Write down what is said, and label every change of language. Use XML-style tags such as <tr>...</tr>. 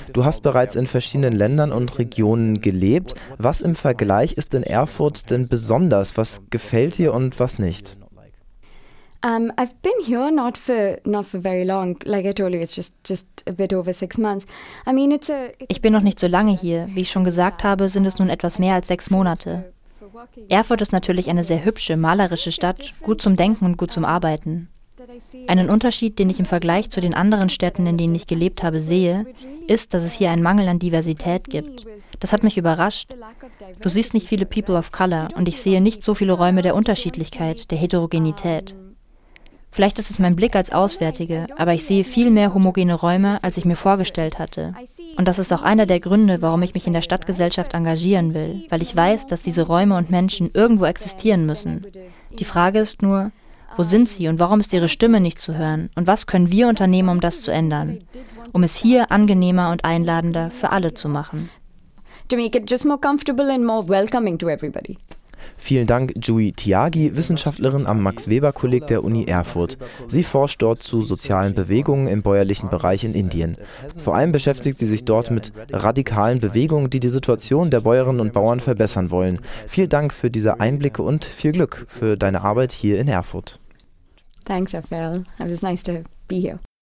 <de>Du hast bereits in verschiedenen Ländern und Regionen gelebt. Was im Vergleich ist in Erfurt denn besonders? Was gefällt dir und was nicht?</de> <en>I've been here not for very long. Like I told you, it's just a bit over 6 months. I mean,</en> <de>ich bin noch nicht so lange hier. Wie ich schon gesagt habe, sind es nun etwas mehr als 6 Monate. Erfurt ist natürlich eine sehr hübsche, malerische Stadt, gut zum Denken und gut zum Arbeiten. Einen Unterschied, den ich im Vergleich zu den anderen Städten, in denen ich gelebt habe, sehe, ist, dass es hier einen Mangel an Diversität gibt. Das hat mich überrascht. Du siehst nicht viele People of Color und ich sehe nicht so viele Räume der Unterschiedlichkeit, der Heterogenität. Vielleicht ist es mein Blick als Auswärtige, aber ich sehe viel mehr homogene Räume, als ich mir vorgestellt hatte. Und das ist auch einer der Gründe, warum ich mich in der Stadtgesellschaft engagieren will, weil ich weiß, dass diese Räume und Menschen irgendwo existieren müssen. Die Frage ist nur, wo sind sie und warum ist ihre Stimme nicht zu hören? Und was können wir unternehmen, um das zu ändern? Um es hier angenehmer und einladender für alle zu machen.</de> <en>to make it just more comfortable and more welcoming to everybody.</en> <de>Vielen Dank, Jui Tiagi, Wissenschaftlerin am Max-Weber-Kolleg der Uni Erfurt. Sie forscht dort zu sozialen Bewegungen im bäuerlichen Bereich in Indien. Vor allem beschäftigt sie sich dort mit radikalen Bewegungen, die die Situation der Bäuerinnen und Bauern verbessern wollen. Vielen Dank für diese Einblicke und viel Glück für deine Arbeit hier in Erfurt.</de> <en>Thanks, Raphael. It was nice to be here.</en>